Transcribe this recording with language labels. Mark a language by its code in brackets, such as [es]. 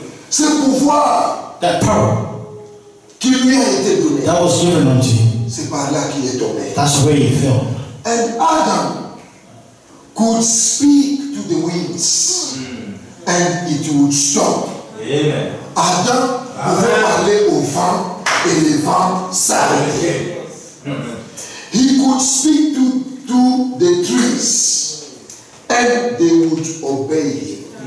[fr] Ce pouvoir. [en] That power [fr] qui lui a été donné, [en] that was given unto him. [fr] C'est par là qu'il est tombé. [en] That's where he fell. And Adam could speak to the winds, and it would stop. Yeah. [fr] Adam pouvait parler au vent et le vent s'arrêtait. [en] Yeah. He could speak to the trees, and they would obey him.